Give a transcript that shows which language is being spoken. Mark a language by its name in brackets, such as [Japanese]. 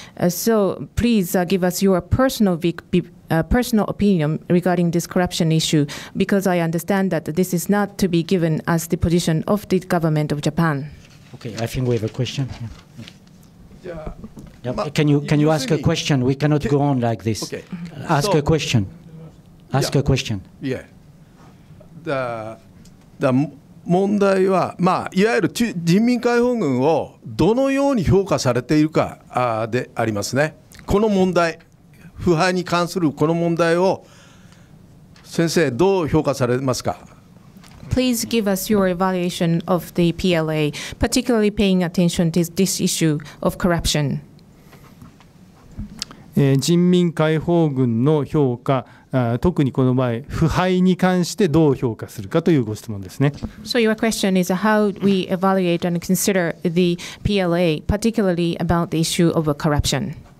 [English] So please give us your personal opinion regarding this corruption issue, because I understand that this is not to be given as the position of the government of Japan. Okay, I think we have a question. Yeah. Can you ask a question? We cannot go on like this. Okay. Ask a question. Yeah. [Japanese] だ問題は、まあ、いわゆる人民解放軍をどのように評価されているかでありますね。この問題、腐敗に関するこの問題を先生どう評価されますか。 [English] Please give us your evaluation of the PLA, particularly paying attention to this issue of corruption. [Japanese] 人民解放軍の評価、特にこの場合腐敗に関してどう評価するかというご質問ですね。 [English] So your question is how we evaluate and consider the PLA, particularly about the issue of corruption.